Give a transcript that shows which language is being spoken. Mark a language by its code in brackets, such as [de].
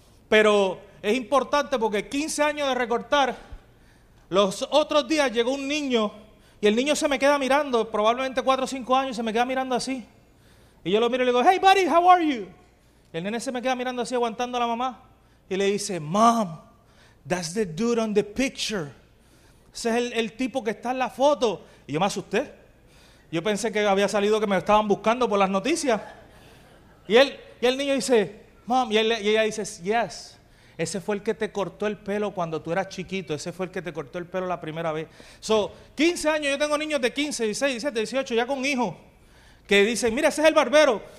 [es] Pero es importante porque 15 años de recortar, los otros días llegó un niño y el niño se me queda mirando, probablemente 4 o 5 años, se me queda mirando así. Y yo lo miro y le digo, [en] hey buddy, how are you? [es] Y el nene se me queda mirando así, aguantando a la mamá. Y le dice, [en] Mom, that's the dude on the picture. [es] Ese es el tipo que está en la foto. Y yo me asusté. Yo pensé que había salido que me estaban buscando por las noticias. Y el niño dice, Mom, y ella dice, yes, ese fue el que te cortó el pelo cuando tú eras chiquito. Ese fue el que te cortó el pelo la primera vez. So, 15 años, yo tengo niños de 15, 16, 17, 18, ya con hijos, que dicen, mira, ese es el barbero.